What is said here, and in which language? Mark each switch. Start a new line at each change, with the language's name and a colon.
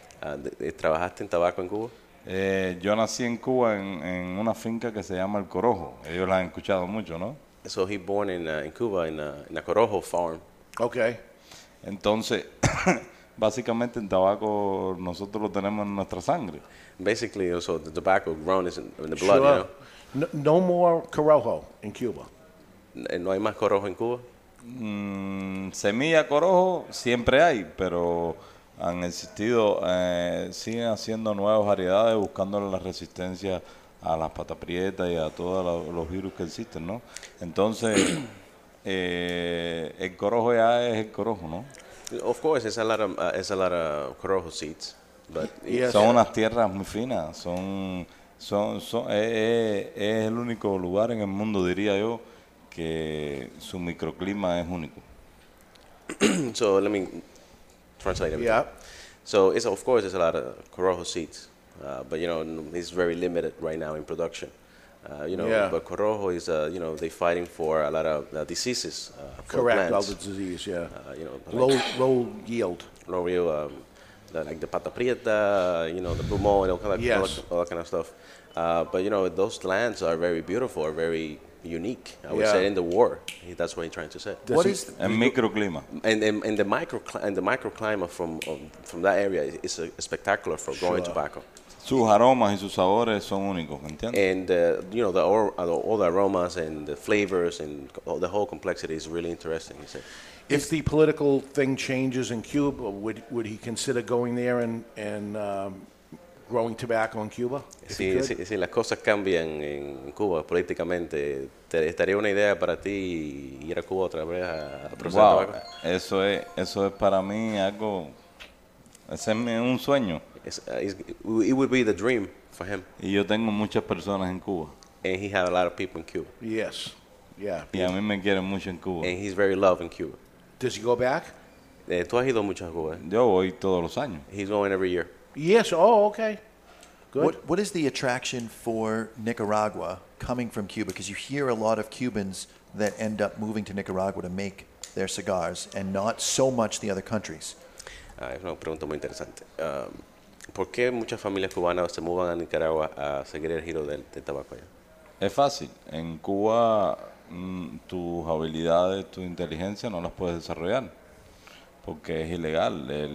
Spanish: ¿Trabajaste en tabaco en Cuba? Yo nací en Cuba en una finca que se llama El Corojo. Ellos la han escuchado mucho, ¿no?
English: So he born in Cuba in a Corojo farm. Okay.
Spanish: Entonces, básicamente el tabaco nosotros lo tenemos en nuestra sangre.
English: Basically, so the tobacco grown is in the blood. No more Corojo in Cuba.
Spanish: No hay más Corojo en Cuba. Semilla Corojo siempre hay, pero han existido, siguen haciendo nuevas variedades, buscando la resistencia a las pataprietas y a todos los virus que existen, ¿no? Entonces, el corojo ya es el corojo, ¿no?
English: Of course, it's a lot of corojo seeds. But yes.
Spanish: Son unas tierras muy finas, es el único lugar en el mundo, diría yo, que su microclima es único.
English: So let me translate it. Yeah. So it's a lot of corojo seeds, but you know it's very limited right now in production. But corojo is they're fighting for a lot of diseases. Correct. Plants. All the disease. Yeah. Low yield. Low yield. Like the pata prieta, the plumo, and all that kind of stuff. But, those lands are very beautiful, are very unique, I would say, in the war. That's what he's trying to say.
Spanish: Microclima.
English: And the microclimate from that area is spectacular for growing tobacco.
Spanish: Sus aromas y sus sabores son únicos, ¿entiendes?
English: And, all the aromas and the flavors and the whole complexity is really interesting, he said. If the political thing changes in Cuba, would he consider going there and growing tobacco in Cuba?
Spanish: Si las cosas cambian en Cuba políticamente, ¿te estaría una idea para ti ir a Cuba otra vez a producir tobacco? Eso es para mí algo, ese es un sueño.
English: It would be the dream for him.
Spanish: Y yo tengo muchas personas en Cuba.
English: And he has a lot of people in Cuba. Yes. Yeah.
Spanish: Y a mí me quieren mucho en Cuba.
English: And he's very loved in Cuba. Does he go back?
Spanish: Tú has ido mucho a Cuba. Yo voy todos los años.
English: He's going every year. Yes, okay. Good. What is the attraction for Nicaragua coming from Cuba? Because you hear a lot of Cubans that end up moving to Nicaragua to make their cigars and not so much the other countries.
Spanish: Es una pregunta muy interesante. ¿Por qué muchas familias cubanas se mudan a Nicaragua a seguir el giro del tabaco allá? Es fácil. En Cuba, tus habilidades, tu inteligencia no las puedes desarrollar porque es ilegal.